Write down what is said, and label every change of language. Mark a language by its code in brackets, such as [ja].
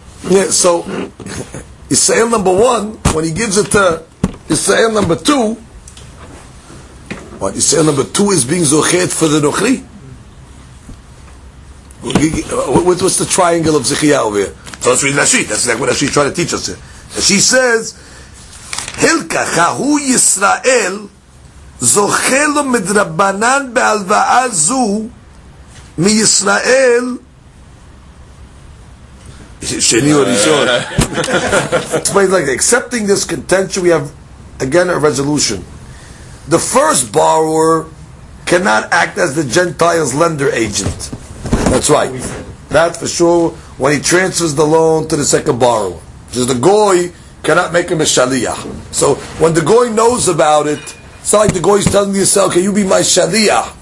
[en] Yeah, so Yisrael number one, when he gives it to Yisrael number two, what, Yisrael number two is being zochet for the Nukhri? What's the triangle of Zichiyah over here? So let's read Rashi. That's exactly what Rashi is trying to teach us here. And she says, Hilka chahu Yisrael [he] זוכה לו מדרבנן בהלוואה זו מישראל שני או ראשון. [en] Explain like accepting this contention, we have again a resolution. The first borrower cannot act as the Gentile's lender agent. That's right. That's for sure when he transfers the loan to the second borrower. Because the goy cannot make him a shaliyah. So when the goy knows about it, it's not like the goy is telling the Yisrael, can you be my shaliyah?